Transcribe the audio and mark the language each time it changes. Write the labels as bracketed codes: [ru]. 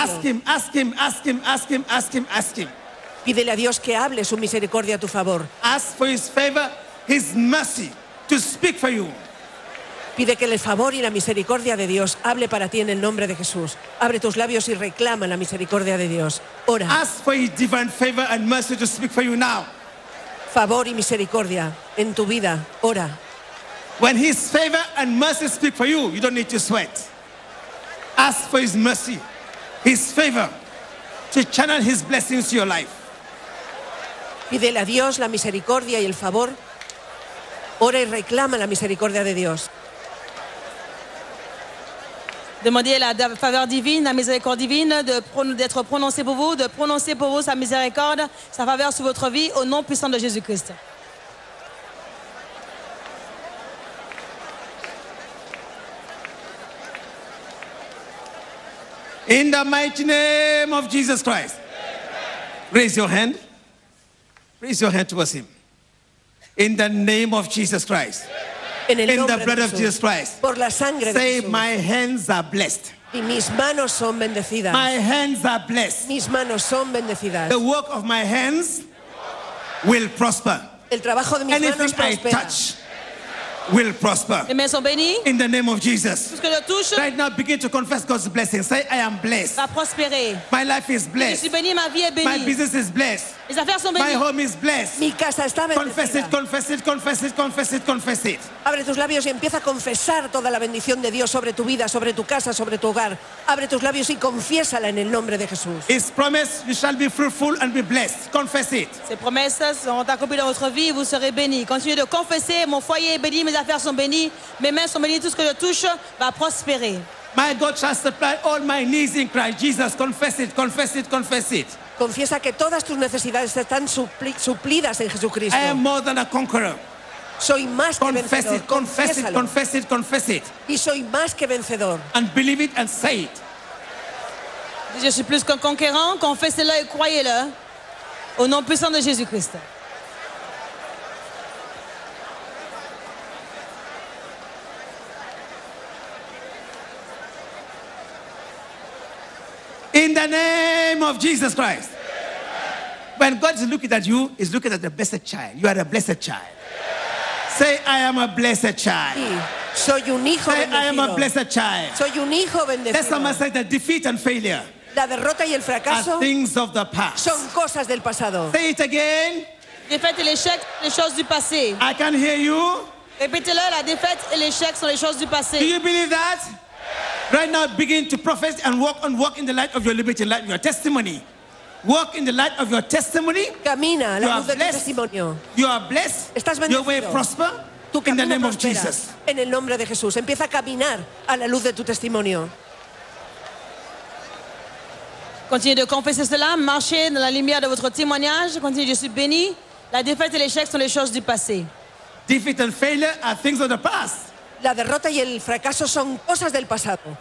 [en] Ask him, ask him, ask him, ask him, ask him, ask him. [es] Pídele a Dios que hable su misericordia a tu favor. [en] Ask for his favor, his mercy, to speak for you. [es] Pide que el favor y la misericordia de Dios hable para ti en el nombre de Jesús. Abre tus labios y reclama la misericordia de Dios. Ora. [en] Ask for his divine favor and mercy to speak for you now. [es] Favor y misericordia en tu vida. Ora. [en] When his favor and mercy speak for you, you don't need to sweat. Ask for his mercy, his favor, to channel his blessings to your life. [es] Pídele a Dios la misericordia y el favor. Ora y reclama la misericordia de Dios. [fr] Demandez la faveur divine, la miséricorde divine, d'être prononcée pour vous, de prononcer pour vous sa miséricorde, sa faveur sur votre vie, au nom puissant de Jésus-Christ. [en] In the mighty name of Jesus Christ, raise your hand. Raise your hand towards him. In the name of Jesus Christ. [es] En el [en] in the blood [es] Jesús. [en] Of Jesus Christ. [es] Por la sangre [en] say, [es] de Jesús. [en] My hands are blessed. [es] Y mis manos son bendecidas. [en] My hands are blessed. [es] Mis manos son bendecidas. [en] The work of my hands will prosper. [es] El trabajo de mis [en] anything [es] manos [en] I touch. will prosper. [fr] Les mains sont bénies. [en] In the name of Jesus. [fr] Tout ce que je touche. [en] Right now, begin to confess God's blessing. Say, I am blessed. [fr] Va prospérer. [en] My life is blessed. [fr] Je suis bénie, ma vie est bénie. [en] My business is blessed. [fr] Mes affaires sont bénies. [en] My home is blessed. [es] Mi casa está bendecida. [en] Confess it, confess it, confess it, confess it, confess it. [es] Abre tus labios y empieza a confesar toda la bendición de Dios sobre tu vida, sobre tu casa, sobre tu hogar. Abre tus labios y confiésala en el nombre de Jesús. [en] His promise, you shall be fruitful and be blessed. Confess it. [fr] Ses promesses seront accomplies dans votre vie, vous serez bénis. Continuez de confesser, mon foyer est béni, mes affaires sont bénies, mes mains sont bénies, tout ce que je touche va prospérer. [en] My God shall supply all my needs in Christ Jesus. Confess it, confess it, confess it. [es] Confiesa que todas tus necesidades están suplidas en Jesucristo. [en] I am more than a conqueror. [es] Soy más que vencedor. [en] Confess it, confess it, confess it, confess it. [es] Y soy más que vencedor. [en] And believe it and say it. [fr] Je suis plus qu'un conquérant. Confessez-le et croyez-le. Au nom puissant de Jésus-Christ. [en] In the name of Jesus Christ. Amen. When God is looking at you, he's looking at the blessed child. You are a blessed child. Amen. Say, I am a blessed child. [es] Sí. Soy un hijo [en] say, [es] bendecido. [en] I am a blessed child. [es] Soy un hijo bendecido. [en] That's what I said, the defeat and failure. [es] La derrota y el fracaso [en] are things of the past. [es] Son cosas del pasado. [en] Say it again. [fr] Défaite et l'échec sont les choses du passé. [en] I can hear you. [fr] Répétez-le, la défaite et l'échec sont les choses du passé. [en] Do you believe that? Right now, begin to profess and walk in the light of your liberty, light of your testimony. Walk in the light of your testimony. [es] Camina, la luz de tu testimonio. [en] You are blessed. [es] Estás bendecido. [en] Your way prosper. [es] Tu camino [en] in the name of Jesus. [es] En el nombre de Jesús. Empieza a caminar a la luz de tu testimonio. [fr] Continue de confesser cela. Marchez dans la lumière de votre témoignage. Continue, je suis béni. La défaite et l'échec sont les choses du passé. [en] Defeat and failure are things of the past. [es] La derrota y el fracaso son cosas del pasado.